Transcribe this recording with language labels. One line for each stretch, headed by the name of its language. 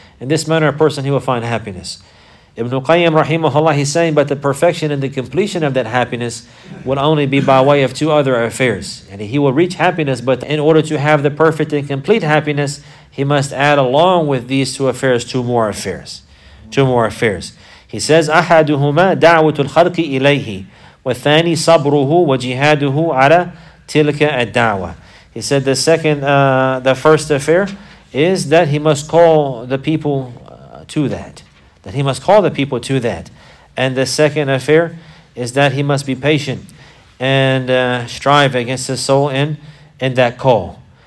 English: In this manner, a person, he will find happiness. Ibn Qayyim rahimahullah, he's saying, but the perfection and the completion of that happiness will only be by way of two other affairs. And he will reach happiness, but in order to have the perfect and complete happiness, he must add along with these two affairs, two more affairs. Two more affairs. He says,
Arabic: أَحَدُهُمَا دَعْوَةُ الْخَلْقِ إِلَيْهِ وَثَانِي صَبْرُهُ وَجِهَادُهُ عَلَى تِلْكَ الدَّعْوَةِ.
English: He said the first affair is that he must call the people to that. That he must call the people to that. And the second affair is that he must be patient and strive against his soul in that call.